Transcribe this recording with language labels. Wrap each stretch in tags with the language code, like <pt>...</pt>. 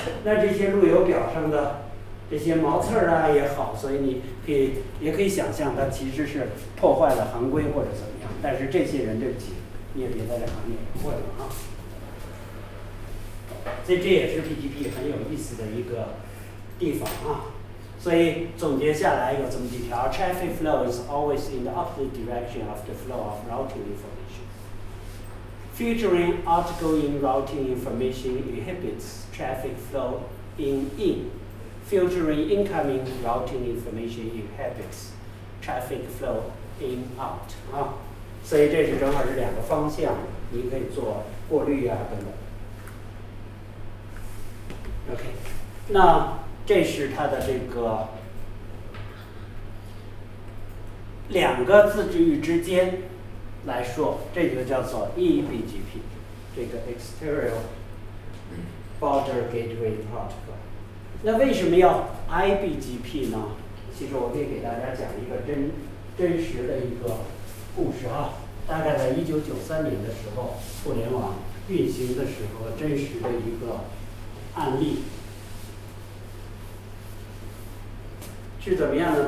<zh>那这些路由表上的这些毛刺儿啊也好，所以你可以也可以想象它其实是破坏了行规或者怎么样，但是这些人对不起，你也别在这行业混了啊。所以这也是 BGP 很有意思的一个地方啊。所以总结下来有这么几条，</zh> <en>traffic flow is always in the opposite direction of the flow of routing information. Filtering outgoing routing information inhibits traffic flow in. Filtering incoming routing information inhibits traffic flow in out.</en> <zh>啊，所以这是正好是两个方向，你可以做过滤啊等等。 OK， 那这是它的这个两个自治域之间来说，这就叫做 EBGP， 这个 Exterior Border Gateway Protocol。那为什么要 IBGP 呢？其实我可以给大家讲一个 真实的一个故事啊。大概在1993年的时候，互联网运行的时候，真实的一个案例是怎么样呢？</zh>